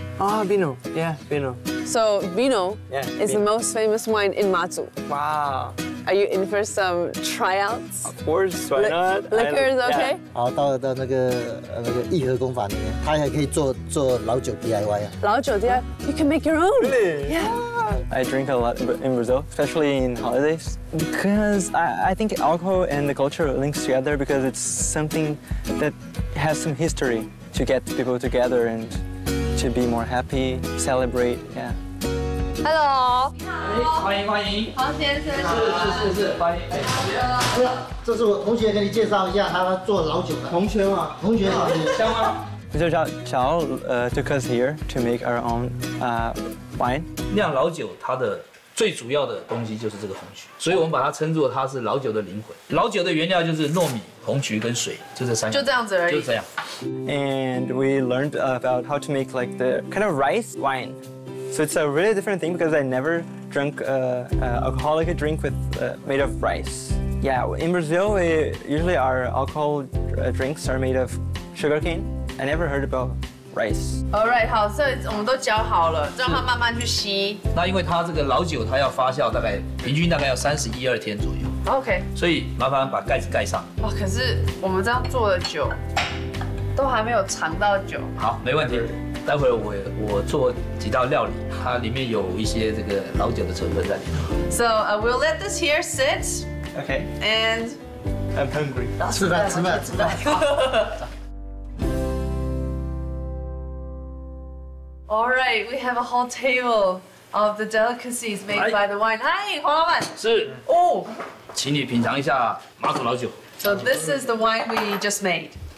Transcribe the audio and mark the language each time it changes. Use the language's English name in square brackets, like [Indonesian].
[English] Ah, vino. Yeah, vino. So, vino, yeah, vino. Is the most famous wine in Mazu. Wow. Are you in for some tryouts? Of course, why not? Liquors, okay? [Chinese] 好，到那个义和工坊里面，他还可以做老酒 DIY 啊。 [English] 老酒 DIY, you can make your own. Really? Yeah. I drink a lot in Brazil, especially in holidays, because I think alcohol and the culture links together because it's something that has some history. To get people together and to be more happy, celebrate, yeah. Hello. [Chinese] 你好。欢迎欢迎。黄先生。是，欢迎。哎，这是我同学，给你介绍一下，他做老酒的。同学嘛，同学好，香吗？ [English] Mr. Zhao took us here to make our own wine. [Chinese] 酿老酒，它的最主要的东西就是这个红曲，所以我们把它称作它是老酒的灵魂。老酒的原料就是糯米、红曲跟水，就这三样，就这样子而已，就这样。 [English] And we learned about how to make like the kind of rice wine, so it's a really different thing because I never drank alcoholic drink with made of rice. Yeah, in Brazil, usually our alcohol drinks are made of sugarcane. I never heard about rice. All right, [Chinese] 好，所以我们都搅好了，让它慢慢去吸。那因为它这个老酒，它要发酵大概平均大概要31-32天左右。 [English] OK. [Chinese] 所以麻烦把盖子盖上。哇，可是我们这样做的酒，都还没有尝到酒。好，没问题。待会我做几道料理，它里面有一些这个老酒的成分在里头。 [English] So we'll let this here sit. Okay. And I'm hungry. [Chinese] 吃饭。 [English] All right, we have a whole table of the delicacies made by the wine. Hi, [Chinese] 黄老板。是。哦。请你品尝一下马祖老酒。 [English] So this is the wine we just made.